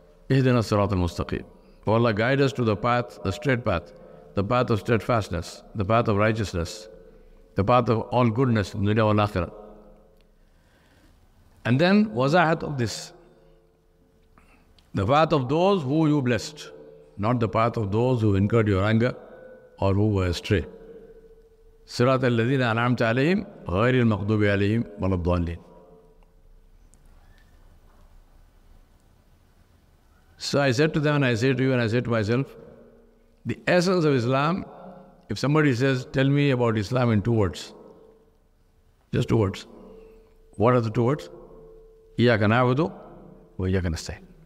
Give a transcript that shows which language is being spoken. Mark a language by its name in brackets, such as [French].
[Arabic] Ihdina sirat al-mustaqim. [English] O Allah, guide us to the path, the straight path, the path of steadfastness, the path of righteousness, the path of all goodness, [Arabic] dunya wal akhirah. [English] And then wazahat of this. The path of those who you blessed, not the path of those who incurred your anger or who were astray. [Arabic] صراط الذين أنعمت عليهم غير المغضوب عليهم ولا الضالين. [English] So I said to them, and I say to you, and I say to myself, the essence of Islam, if somebody says, tell me about Islam in two words, just two words, what are the two words? [Arabic] إِيَّاكَ نَعْبُدُ وَإِيَّاكَ نَسْتَعِينُ.